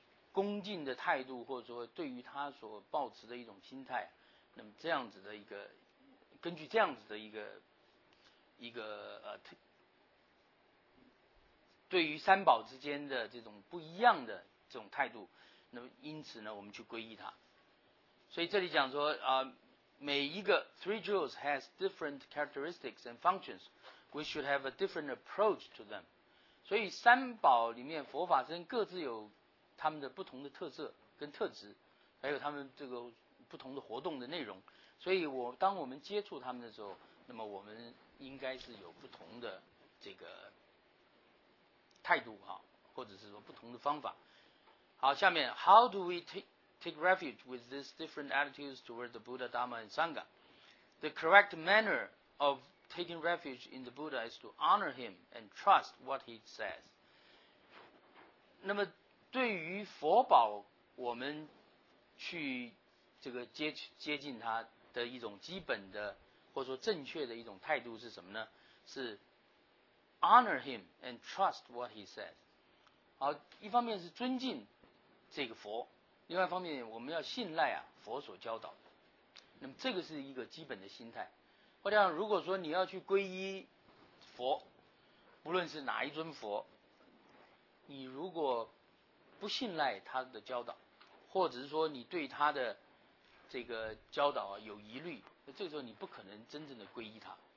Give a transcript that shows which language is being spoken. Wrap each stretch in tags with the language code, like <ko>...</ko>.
<zh>恭敬的态度，或者说对于他所抱持的一种心态，那么这样子的一个，根据这样子的一个对于三宝之间的这种不一样的这种态度，那么因此呢，我们去皈依他。所以这里讲说每一个</zh> <en>three jewels has different characteristics and functions， we should have a different approach to them。</en> <zh>所以三宝里面佛法僧各自有。他们的不同的特色跟特质，还有他们这个不同的活动的内容，所以当我们接触他们的时候，那么我们应该是有不同的这个态度哈，或者是说不同的方法。好，下面</zh> <en>How do we take refuge with these different attitudes toward the Buddha, Dharma, and Sangha? The correct manner of taking refuge in the Buddha is to honor him and trust what he says.</en> <zh>那么对于佛宝我们去这个 接近他的一种基本的或者说正确的一种态度是什么呢？是</zh> <en>honor him and trust what he says。</en> <zh>好，一方面是尊敬这个佛，另外一方面我们要信赖啊佛所教导的。那么这个是一个基本的心态。或者如果说你要去皈依佛，不论是哪一尊佛，你如果不信赖他的教导，或者是说你对他的这个教导有疑虑，那这个时候你不可能真正的皈依他。</zh>